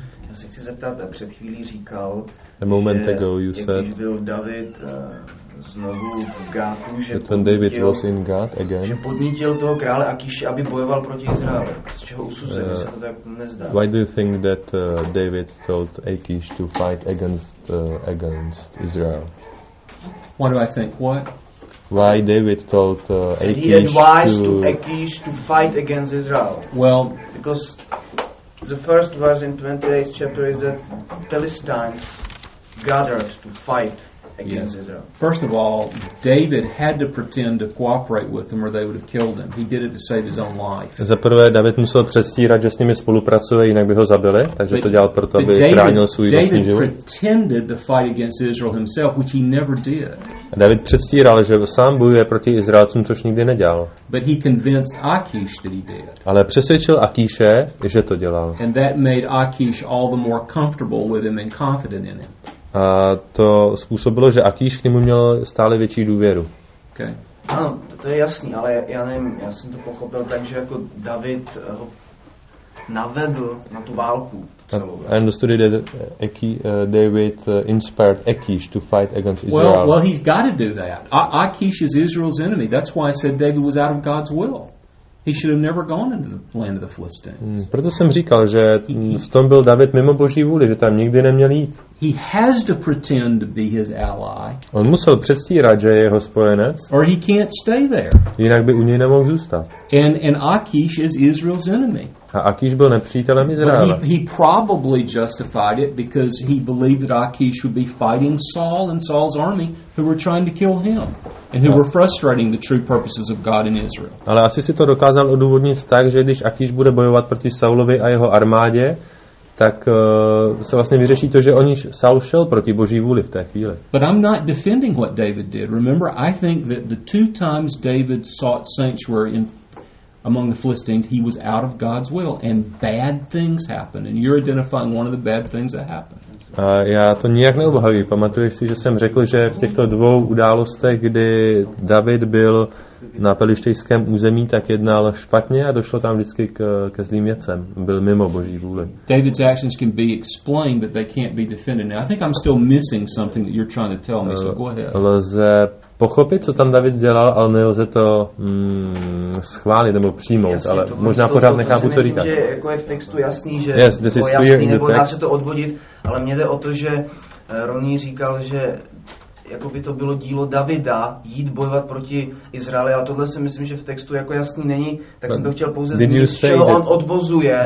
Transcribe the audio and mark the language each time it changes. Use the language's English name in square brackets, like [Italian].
[Czech] Já se chci zeptat, před chvílí říkal, [English] a moment [Czech] že [English] ago you said, [Czech] když byl David znovu v Gátu, že podnítil toho krále Akiše, aby bojoval proti Izraeli. Z čeho usuzuje, se to tak nezdá. [English] Why do you think that David told Akish to fight against Israel? What do I think? What? Why David told Akish to... Akish to fight against Israel? Well, because the first verse in 28th chapter is that Philistines gathered to fight against Israel. First of all, David had to pretend to cooperate with them or they would have killed him. He did it to save his own life. [Czech] Za prvé, David musel předstírat, že s nimi spolupracuje, jinak by ho zabili, takže to dělal proto, aby chránil svůj vlastní život. [English] David pretended to fight against Israel himself, which he never did. [Czech] David předstíral, že sám bojuje proti Izraelcům, což nikdy nedělal. [English] But he convinced Akish that he did. [Czech] Ale přesvědčil Akíše, že to dělal. [English] And that made Akish all the more comfortable with him and confident in him. [Czech] A to způsobilo, že Akíš k němu měl stále větší důvěru. [English] Okay. [Czech] Ano, to je jasný, ale já nevím, já jsem to pochopil tak, že jako David ho navedl na tu válku celou. [English] I understood that David inspired Akíš to fight against Israel. Well, he's got to do that. Akíš is Israel's enemy. That's why I said David was out of God's will. He should have never gone into the land of the Philistines. [Czech] Proto jsem říkal, že v tom byl David mimo Boží vůli, že tam nikdy neměl jít. [English] He has to pretend to be his ally. [Czech] On musel předstírat, že je jeho spojenec. [English] Or he can't stay there. [Czech] Jinak by u něj nemohl zůstat. [English] And Akish is Israel's enemy. [Czech] A Akish byl nepřítelem Izraele. [English] But he probably justified it because he believed that Akish would be fighting Saul and Saul's army who were trying to kill him and who were frustrating the true purposes of God in Israel. [Czech] Ale asi si to dokázal odůvodnit tak, že když Akish bude bojovat proti Saulovi a jeho armádě, tak se vlastně vyřeší to, že oni Saul šel proti Boží vůli v té chvíli. [English] But I'm not defending what David did. Remember, I think that the two times David sought sanctuary in among the Philistines, he was out of God's will and bad things happened. And you're identifying one of the bad things that happened. [Czech] Já to nijak neobhajuji. Pamatuješ si, že jsem řekl, že v těchto dvou událostech, kdy David byl na pelištejském území, tak jednal špatně a došlo tam vždycky ke zlým věcem. Byl mimo Boží vůli. [English] David's actions can be explained, but they can't be defended. Now, I think I'm still missing something that you're trying to tell me, so go ahead. [Czech] Lze pochopit, co tam David dělal, ale nelze to schválit nebo přijmout, jasně, ale to, možná to, pořád nechápu to říkat. Myslím, že jako je v textu jasný, že [English] yes, [Czech] to jasný, nebo dá se to odvodit, ale mě jde o to, že Roni říkal, že jako by to bylo dílo Davida jít bojovat proti Izraeli, ale tohle si myslím, že v textu jako jasný není, tak jsem to chtěl pouze zmínit, čeho on odvozuje,